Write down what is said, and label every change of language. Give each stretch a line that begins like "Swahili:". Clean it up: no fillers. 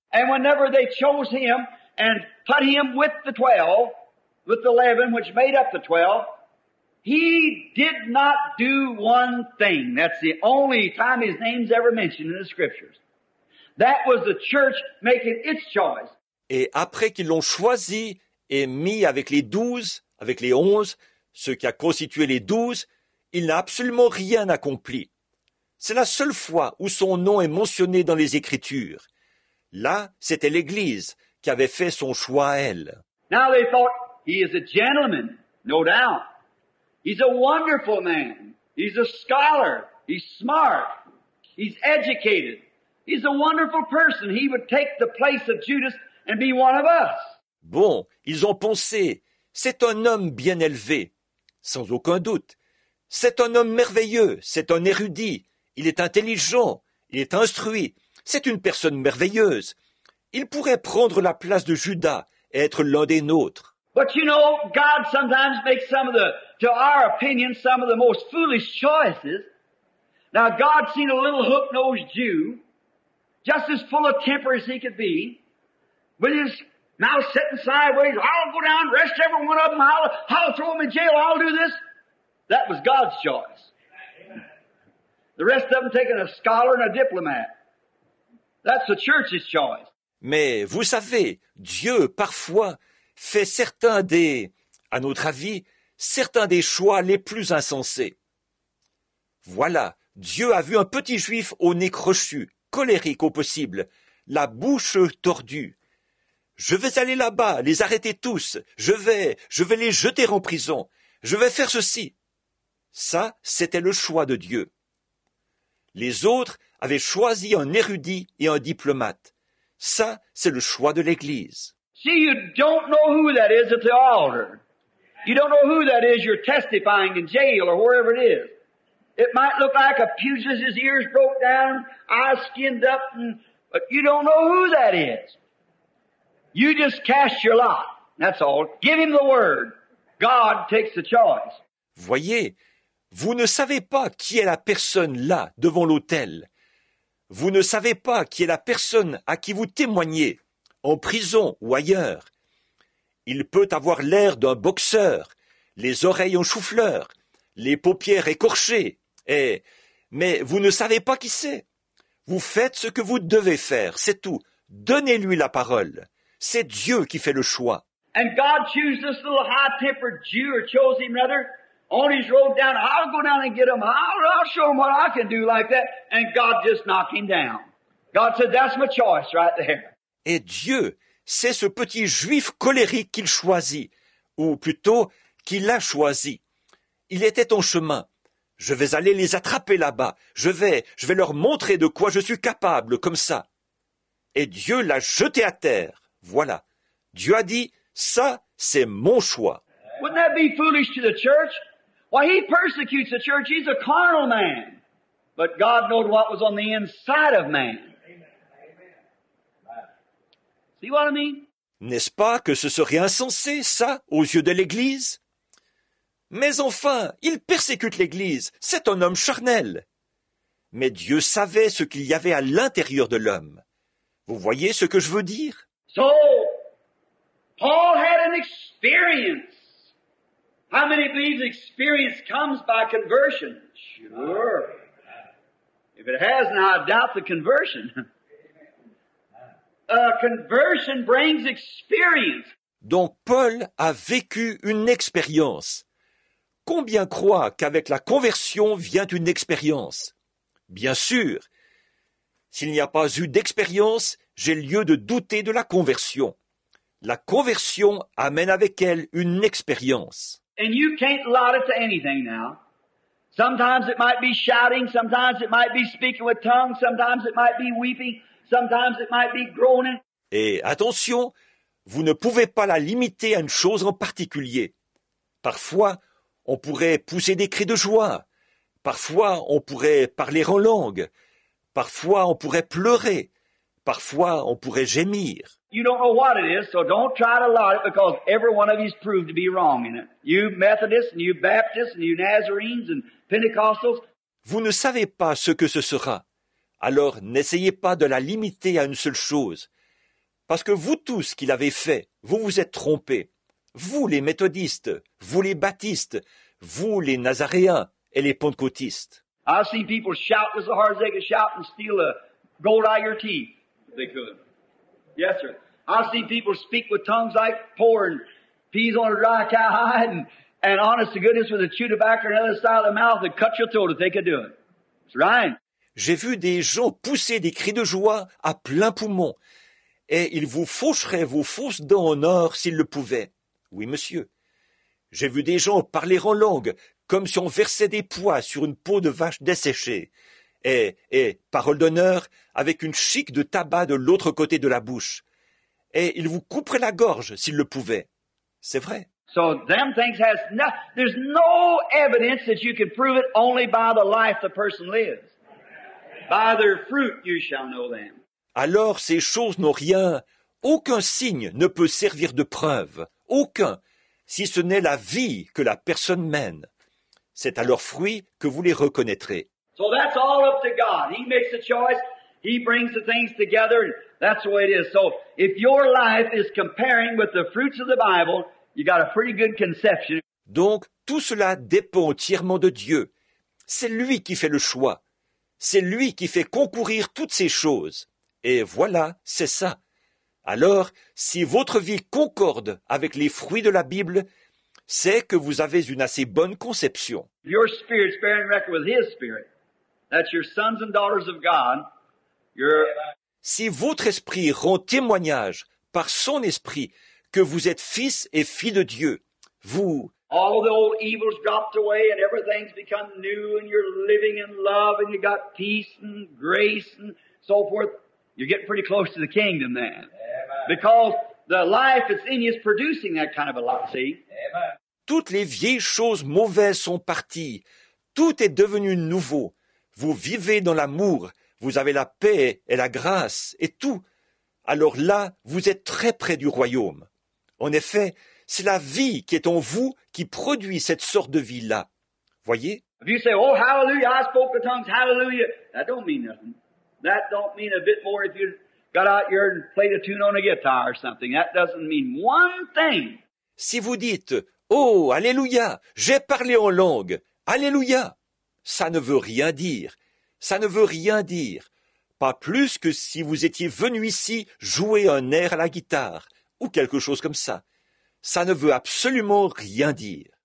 English: And whenever they chose him and put him with the 12, with the 11, which made up the 12, he did not do one thing. That's the only time his name's ever mentioned in the scriptures. That was the church making its choice.
French: Et après qu'ils l'ont choisi et mis avec les 12, avec les 11, ce qui a constitué les 12, il n'a absolument rien accompli. C'est la seule fois où son nom est mentionné dans les Écritures. Là, c'était l'Église qui avait fait son choix à elle.
English: Now they thought, he is a gentleman, no doubt. He's a wonderful man. He's a scholar. He's smart. He's educated. He's a wonderful person. He would take the place of Judas and be one of us.
French: Bon, ils ont pensé, c'est un homme bien élevé, sans aucun doute. C'est un homme merveilleux, c'est un érudit. Il est intelligent, il est instruit. C'est une personne merveilleuse. Il pourrait prendre la place de Judas et être l'un des nôtres.
English: But you know, God sometimes makes some of the, to our opinion, some of the most foolish choices. Now, God seen a little hook-nosed Jew, just as full of temper as he could be, with his and I'll set them sideways. I'll go down and arrest every one of them. I'll throw them in jail. I'll do this. That was God's choice. The rest of them taking a scholar and a diplomat. That's the church's choice.
French: Mais vous savez, Dieu parfois fait certains des, à notre avis, certains des choix les plus insensés. Voilà, Dieu a vu un petit juif au nez crochu, colérique au possible, la bouche tordue. Je vais aller là-bas, les arrêter tous, je vais les jeter en prison, je vais faire ceci. Ça, c'était le choix de Dieu. Les autres avaient choisi un érudit et un diplomate. Ça, c'est le choix de l'Église.
English: See, you don't know who that is at the altar. You don't know who that is you're testifying in jail or wherever it is. It might look like a pugilist's ears broke down, eyes skinned up, but you don't know who that is. You just cast your lot, that's all. Give him the word. God takes the choice.
French: Voyez, vous ne savez pas qui est la personne là, devant l'autel. Vous ne savez pas qui est la personne à qui vous témoignez, en prison ou ailleurs. Il peut avoir l'air d'un boxeur, les oreilles en chou-fleur, les paupières écorchées, mais vous ne savez pas qui c'est. Vous faites ce que vous devez faire, c'est tout. Donnez-lui la parole. C'est Dieu qui fait le choix.
English: And God choose this little high-tempered Jew, or chose him rather. On his road down, I'll go down and get him. I'll show him what I can do like that. And God just knocked him down. God said, that's my choice right there.
French: Et Dieu, c'est ce petit juif colérique qu'il choisit, ou plutôt qu'il a choisi. Il était en chemin. Je vais aller les attraper là-bas. Je vais leur montrer de quoi je suis capable, comme ça. Et Dieu l'a jeté à terre. Voilà. Dieu a dit, ça, c'est mon choix.
English: Wouldn't that be foolish to the church? Why, he persecutes the church. He's a carnal man. But God knows what was on the inside of man. Amen. Amen. See what I mean?
French: N'est-ce pas que ce serait insensé, ça, aux yeux de l'Église? Mais enfin, il persécute l'Église. C'est un homme charnel. Mais Dieu savait ce qu'il y avait à l'intérieur de l'homme. Vous voyez ce que je veux dire?
English: So, Paul had an experience. How many believe experience comes by conversion? Sure. If it hasn't, I doubt the conversion. Conversion brings experience.
French: Donc Paul a vécu une expérience. Combien croient qu'avec la conversion vient une expérience? Bien sûr. S'il n'y a pas eu d'expérience, j'ai lieu de douter de la conversion. La conversion amène avec elle une expérience.
English: And you can't allot it to anything now. Sometimes it might be shouting, sometimes it might be speaking with tongues, sometimes it might be weeping, sometimes it might be groaning.
French: Et attention, vous ne pouvez pas la limiter à une chose en particulier. Parfois, on pourrait pousser des cris de joie. Parfois, on pourrait parler en langue. Parfois, on pourrait pleurer. Parfois, on pourrait gémir.
English: You don't know what it is, so don't try to lie it because every one of you is proved to be wrong in it. You Methodists, and you Baptists, and you Nazarenes, and Pentecostals.
French: Vous ne savez pas ce que ce sera. Alors n'essayez pas de la limiter à une seule chose. Parce que vous tous qui l'avez fait, vous vous êtes trompés. Vous les Méthodistes, vous les Baptistes, vous les Nazaréens et les Pentecôtistes.
English: I've seen people shout as hard as they can shout and steal a gold out of your teeth. They could. Yes, sir. I've seen people speak with tongues like pouring peas on a dry cowhide and honest to goodness with a chew tobacco on the other side of the mouth and cut your throat if they could do it. It's right.
French: J'ai vu des gens pousser des cris de joie à plein poumon et ils vous faucheraient vos fausses dents en or s'ils le pouvaient. Oui, monsieur. J'ai vu des gens parler en langue comme si on versait des pois sur une peau de vache desséchée. Et parole d'honneur, avec une chique de tabac de l'autre côté de la bouche. Et il vous couperait la gorge s'il le pouvait. C'est vrai.
English: So them things has no, there's no evidence that you can prove it only by the life the person lives. By their fruit you shall know them.
French: Alors ces choses n'ont rien, aucun signe ne peut servir de preuve, aucun, si ce n'est la vie que la personne mène. C'est à leurs fruits que vous les reconnaîtrez.
English: So that's all up to God. He makes the choice. He brings the things together. That's the way it is. So if your life is comparing with the fruits of the Bible, you got a pretty good conception.
French: Donc, tout cela dépend entièrement de Dieu. C'est lui qui fait le choix. C'est lui qui fait concourir toutes ces choses. Et voilà, c'est ça. Alors, si votre vie concorde avec les fruits de la Bible, c'est que vous avez une assez bonne conception.
English: Your spirit's bearing record with his spirit. That's your sons and daughters of God.
French: Si votre esprit rend témoignage par son esprit que vous êtes fils et fille de Dieu, vous...
English: All the old evil's dropped away and everything's become new and you're living in love and you got peace and grace and so forth. You're getting pretty close to the kingdom then. Amen. Because the life that's in you is producing that kind of a life, see? Amen.
French: Toutes les vieilles choses mauvaises sont parties. Tout est devenu nouveau. Vous vivez dans l'amour. Vous avez la paix et la grâce et tout. Alors là, vous êtes très près du royaume. En effet, c'est la vie qui est en vous qui produit cette sorte de vie-là. Voyez?
English: If you say, oh, hallelujah, I spoke the tongues, hallelujah, that don't mean nothing. That don't mean a bit more if you got out here and played a tune on a guitar or something. That doesn't mean one thing.
French: Si vous dites, oh, hallelujah, j'ai parlé en langue, hallelujah, ça ne veut rien dire. Ça ne veut rien dire. Pas plus que si vous étiez venu ici jouer un air à la guitare ou quelque chose comme ça. Ça ne veut absolument rien dire.